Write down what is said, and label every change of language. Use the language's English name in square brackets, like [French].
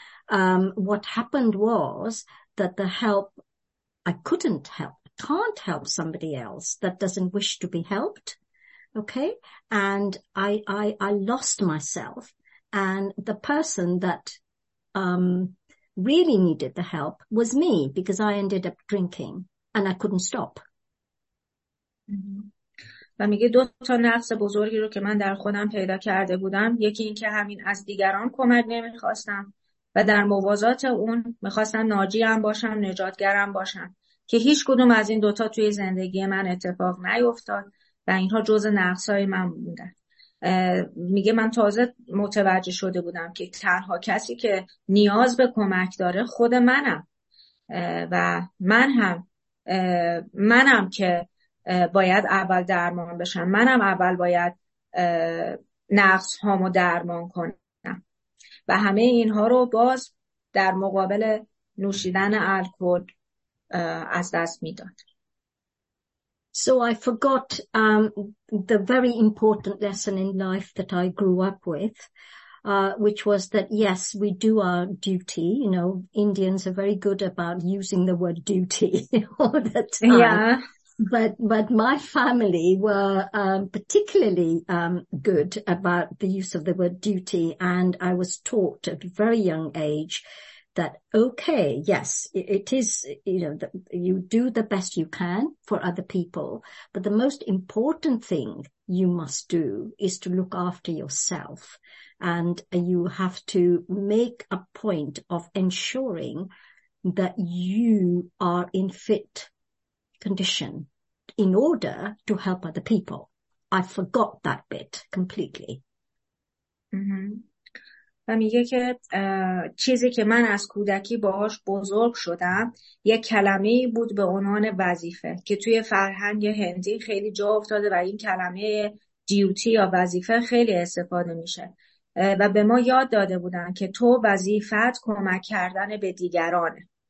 [English] What happened was that the help, I couldn't help, can't help somebody else that doesn't wish to be helped, okay? And I lost myself, and the person that really needed the help was me, because I ended up drinking and I couldn't stop. [Persian] و میگه دو تا نقص بزرگی رو که من در خودم پیدا کرده بودم، یکی این که همین از دیگران کمک نمیخواستم و در موازات اون میخواستم ناجیم باشم، نجاتگرم باشم، که هیچ کدوم از این دوتا توی زندگی من اتفاق نیفتاد و اینها جز نقص های من بودن. میگه من تازه متوجه شده بودم که تنها کسی که نیاز به کمک داره خود منم، و منم که باید اول درمان بشم، منم اول باید نقص هامو درمان کنم. و همه اینها رو باز در مقابل نوشیدن الکل از دست میداد. [English] So I forgot the very important lesson in life that I grew up with, which was that, yes, we do our duty. You know, Indians are very good about using the word duty all the time. Yeah. But my family were particularly good about the use of the word duty. And I was taught at a very young age that, okay, yes, it is, you know, that you do the best you can for other people, but the most important thing you must do is to look after yourself. And you have to make a point of ensuring that you are in fit condition in order to help other people. I forgot that bit completely. [Persian] و میگه که چیزی که من از کودکی باهاش بزرگ شدم یک کلمه بود به عنوان وظیفه که توی فرهنگ هندی خیلی جا افتاده و این کلمه دیوتی یا وظیفه خیلی استفاده میشه، و به ما یاد داده بودن که تو وظیفت کمک کردن به دیگرانه.